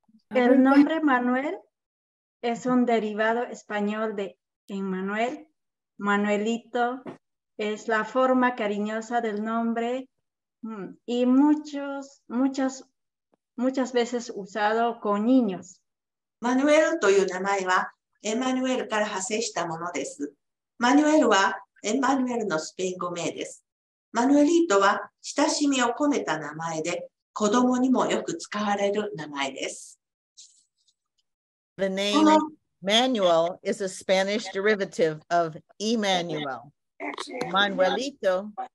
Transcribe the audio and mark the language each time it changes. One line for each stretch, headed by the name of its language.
Spanish: El nombre Manuel es un derivado español de Emmanuel. Manuelito es la forma cariñosa del nombre y muchas veces usado con niños.
Japanese: Manuel という名前はエマニュエルから派生したものです。マニュエルはエマニュエルのスペイン語名です。マニュエリートは親しみを込めた名前で、子供にもよく使われる名前です。
English: The name Manuel is a Spanish derivative of Emmanuel. Manuelito.